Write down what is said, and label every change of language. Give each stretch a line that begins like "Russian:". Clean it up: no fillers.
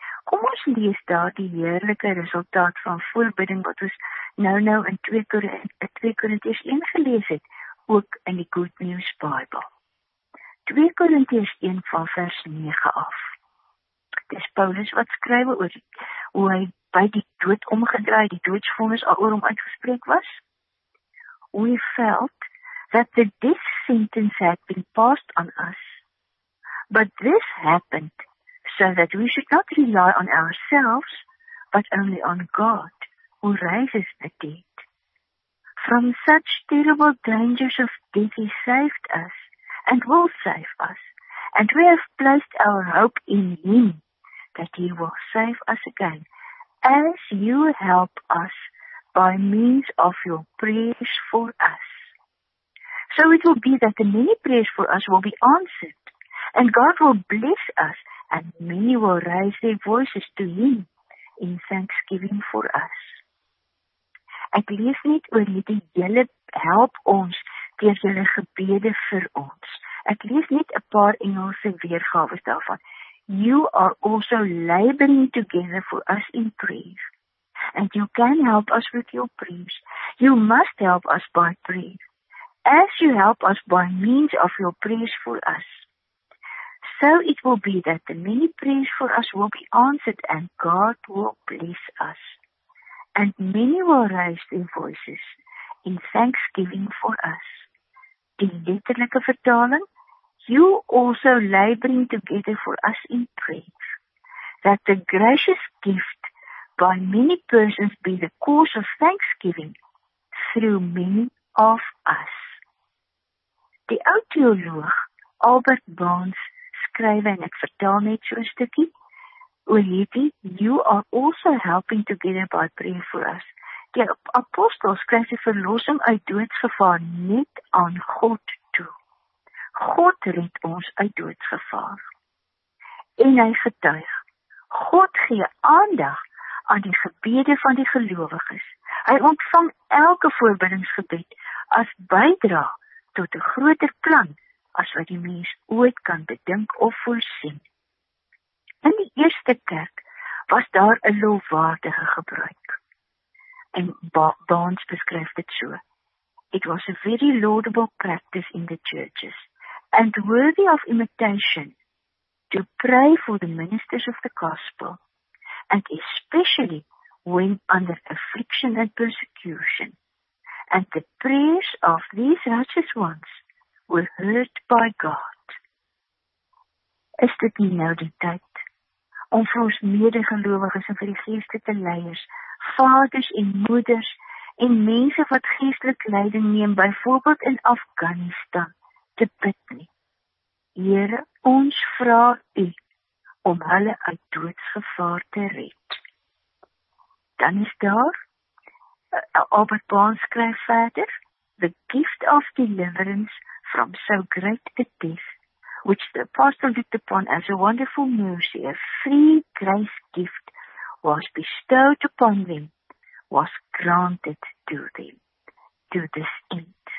Afrikaans: Kom ons lees daar die heerlike resultaat van voorbidding, wat ons nou in 2 Korintiërs 1 gelees het, ook in die Good News Bible. 2 Korintiërs 1 van vers 9 af. Dis Paulus wat skryf oor hoe hy by die dood omgedraai, die doodsvonnis al oor hom uitgespreek was.
English: We felt that the death sentence had been passed on us, but this happened so that we should not rely on ourselves, but only on God, who raises the dead. From such terrible dangers of death he saved us, and will save us, and we have placed our hope in him, that he will save us again, as you help us by means of your prayers for us. So it will be that the many prayers for us will be answered, and God will bless us, and many will raise their voices to him in thanksgiving for us.
Afrikaans: Ek lees net oor die julle help ons deur julle gebede vir ons. Ek lees net 'n paar Engelse weergawes daarvan.
English: You are also laboring together for us in prayer. And you can help us with your prayers. You must help us by prayer. As you help us by means of your prayers for us. So it will be that the many prayers for us will be answered and God will bless us. And many will raise their voices in thanksgiving for us.
Afrikaans: Die letterlijke vertaling,
English: you also laboring together for us in prayer, that the gracious gift by many persons be the cause of thanksgiving through many of us.
Afrikaans: Die oud-teoloog Albert Barnes skryf, en ek vertaal net so'n stukkie, oor hierdie,
English: you are also helping together by praying for us.
Afrikaans: Die apostel skryf die verlossing uit doodsgevaar net aan God toe. God red ons uit doodsgevaar. En hy getuig, God gee aandag aan die gebede van die gelowiges, Hy ontvang elke voorbiddingsgebed as bydra tot 'n groter plan as wat die mens ooit kan bedink of voorsien. In die eerste kerk was daar 'n lofwaardige gebruik. En Barnes beskryf dit so.
English: It was a very laudable practice in the churches and worthy of imitation to pray for the ministers of the gospel and especially when under affliction and persecution and the prayers of these righteous ones were heard by God.
Afrikaans: Is dit nie nou die tyd om vir ons medegelowiges en vir die geestelike leiers, vaders en moeders en mense wat geestelik leiding neem, byvoorbeeld in Afghanistan, te bid nie. Here, ons vra U om hulle uit doodsgevaar te red. Dan is daar, Albert Baan skryf verder,
English: the gift of deliverance from so great a death, which the apostle looked upon as a wonderful mercy, a free grace gift, was bestowed upon them, was granted to them, to this end.